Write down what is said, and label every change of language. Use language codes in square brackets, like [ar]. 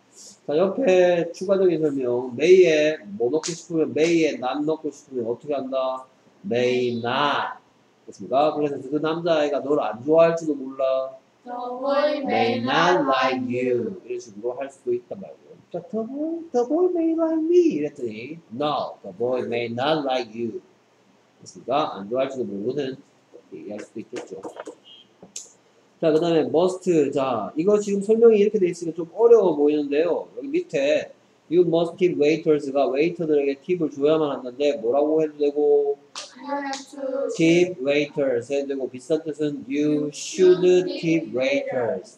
[ko] 자, 옆에 추가적인 설명. may에 뭐 넣고 싶으면, may에 not 넣고 싶으면 어떻게 한다? may not. 됐습니까? 그래서 그 남자아이가 널 안 좋아할지도 몰라. [en] The boy may not like you. [ko] 이런 식으로 할 수도 있단 말이에요. 자, [en] the boy may like me. [ko] 이랬더니, [en] no, the boy may not like you. [ko] 됐습니까? 안 좋아할지도 모르는 얘기할 수도 있겠죠. 자, 그 다음에 must. 자, 이거 지금 설명이 이렇게 돼 있으니까 좀 어려워 보이는데요. 여기 밑에 [en] you must give waiters [ko] 가 웨이터들에게 팁을 줘야만 한다는데 뭐라고 해도 되고 tip waiters 해도 되고 비슷한 뜻은 [en] you should tip waiters.